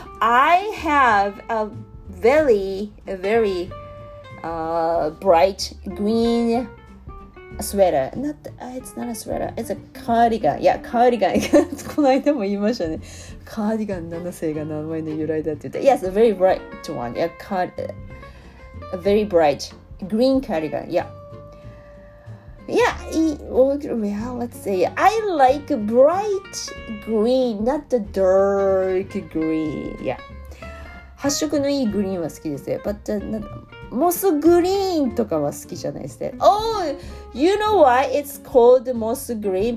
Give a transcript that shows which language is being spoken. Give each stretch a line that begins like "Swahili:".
English: I have a very, very、bright green A sweater. Not, it's not a sweater. It's a cardigan. Yeah, cardigan.
Japanese: この間も言いましたね。カーディガン七星が名前の由来だって言って。
English: Yes, a very bright one. Yeah, card, a very bright green cardigan. Yeah, let's say I like bright green, not the dark green. Yeah.
Japanese: 発色のいいグリーンは好きですね。But モスグリーンとかは好きじゃないですね。
English: Oh, you know why it's called moss green?